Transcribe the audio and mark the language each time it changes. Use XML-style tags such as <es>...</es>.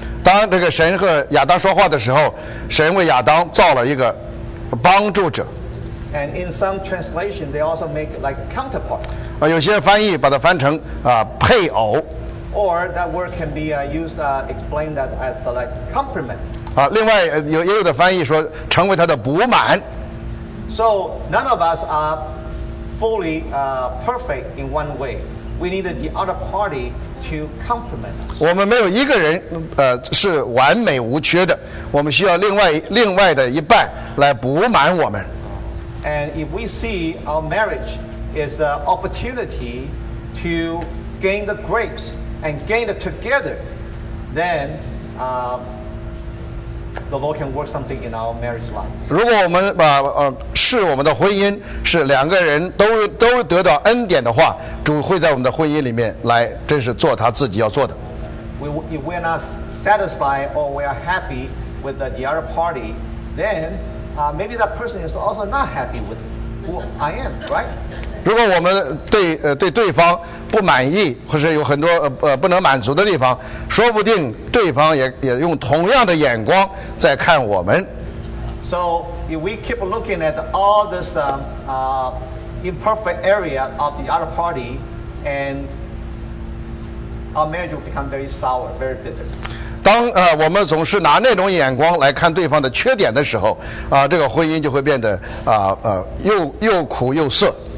<zh>当这个神和亚当说话的时候，神为亚当造了一个帮助者。</zh> <en>And in some translation, they also make like counterpart.</en> <zh>有些翻译把它翻成配偶。</zh> <en>Or that word can be used explained that as like complement.</en> <zh>另外也有的翻译说成为他的补满。</zh> <en>So none of us are fully perfect in one way. We need the other party to complement.</en> <zh>我们没有一个人是完美无缺的，我们需要另外的一半来补满我们。</zh> <en>And if we see our marriage. Is the opportunity to gain the grace and gain it together, then the Lord can work something in our marriage life.</en> <zh>如果我们是我们的婚姻是两个人都得到恩典的话，主会在我们的婚姻里面来，真是做他自己要做的。</zh> <en>If we are not satisfied or we are happy with the other party, then maybe that person is also not happy with who I am, right?</en> <zh>如果我们对对方不满意，或者有很多不能满足的地方，说不定对方也用同样的眼光在看我们。</zh> <en>So if we keep looking at all this imperfect area of the other party, and our marriage will become very sour, very bitter.</en> <zh>当我们总是拿那种眼光来看对方的缺点的时候，这个婚姻就会变得又苦又涩。</zh>